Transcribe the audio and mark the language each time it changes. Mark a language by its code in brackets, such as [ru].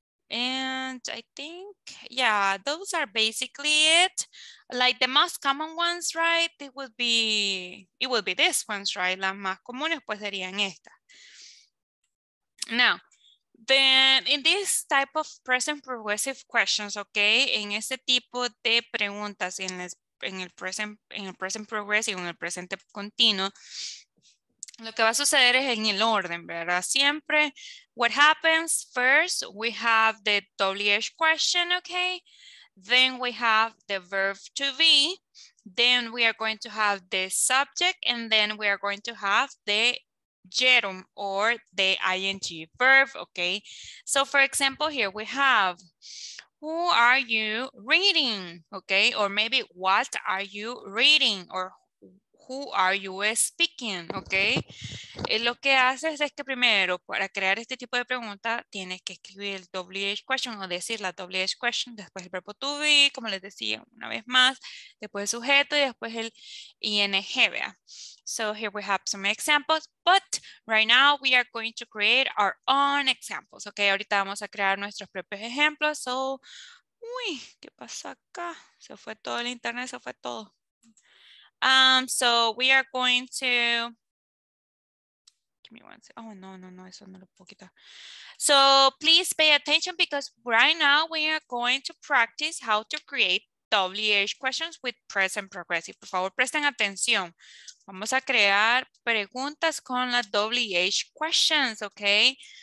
[en] And I think, yeah, those are basically it. Like the most common ones, right? It would be these ones, right? [es] Las más comunes, pues serían estas. [en] Now, then in this type of present progressive questions, okay? [es] En ese tipo de preguntas, en el present progressive, en el presente continuo, lo que va a suceder es en el orden, ¿verdad? Siempre, [en] what happens first, we have the WH question, okay? Then we have the verb to be. Then we are going to have the subject. And then we are going to have the gerund or the ing verb, okay? So for example, here we have, who are you reading, okay? Or maybe, what are you reading? Or who are you speaking, okay? [es] Lo que haces es que primero, para crear este tipo de pregunta, tienes que escribir el WH question o decir la WH question, después el verbo to be, como les decía una vez más, después el sujeto y después el ing, ¿vea? [en] So here we have some examples, but right now we are going to create our own examples, okay? [es] Ahorita vamos a crear nuestros propios ejemplos, so, uy, ¿qué pasó acá? Se fue todo el internet, se fue todo. [en] So we are going to, give me one second. [es] Oh, no, eso no lo puedo quitar. [en] So please pay attention because right now we are going to practice how to create WH questions with present progressive. [es] Por favor, presten atención. Vamos a crear preguntas con las WH questions, ¿ok?